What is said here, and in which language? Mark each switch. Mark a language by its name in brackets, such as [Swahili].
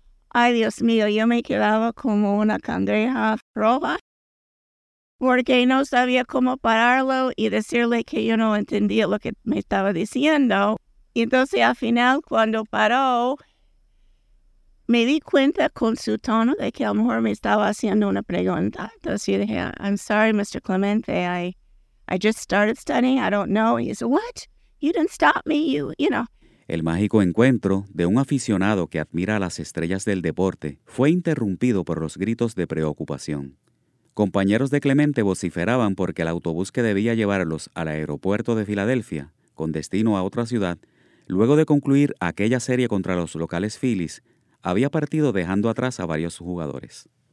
[Spanish] Ay, Dios mío, yo me quedaba como una cangreja roja porque no sabía cómo pararlo y decirle que yo no entendía lo que me estaba diciendo. Y entonces, al final, cuando paró, me di cuenta con su tono de que a lo mejor me estaba haciendo una pregunta. Entonces yo dije, [English] I'm sorry, Mr. Clemente, I just started studying, I don't know. He said, what? You didn't stop me, you know. [Spanish] El mágico encuentro de un aficionado que admira a las estrellas del deporte fue interrumpido por los gritos de preocupación. Compañeros de Clemente vociferaban porque el autobús que debía llevarlos al aeropuerto de Filadelfia, con destino a otra ciudad, luego de concluir aquella serie contra los locales Phillies, había partido dejando atrás a varios jugadores.